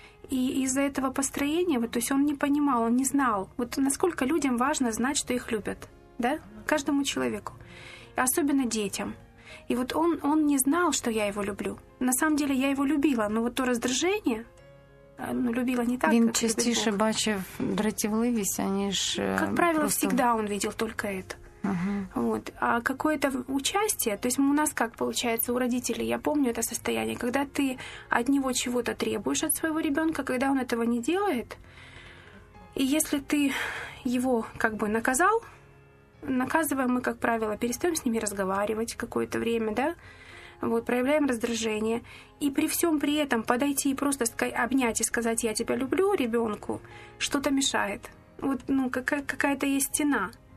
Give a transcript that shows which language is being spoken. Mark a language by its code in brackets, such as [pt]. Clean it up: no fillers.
[ru] И из-за этого построения, вот, то есть он не понимал, он не знал, вот насколько людям важно знать, что их любят, да, каждому человеку, особенно детям. И вот он не знал, что я его люблю. На самом деле я его любила, но вот то раздражение, ну, любила не так, как любит Бог. [uk] Він частіше бачив дратівливість, аніж... [ru] Как правило, просто... всегда он видел только это. Угу. Вот. А какое-то участие, то есть у нас как получается, у родителей, я помню это состояние, когда ты от него чего-то требуешь, от своего ребенка, когда он этого не делает, и если ты его как бы наказал, наказываем мы, как правило, перестаем с ними разговаривать какое-то время, да, вот, проявляем раздражение, и при всем при этом подойти и просто обнять и сказать «я тебя люблю» ребенку, что-то мешает, вот, ну, какая-то есть стена.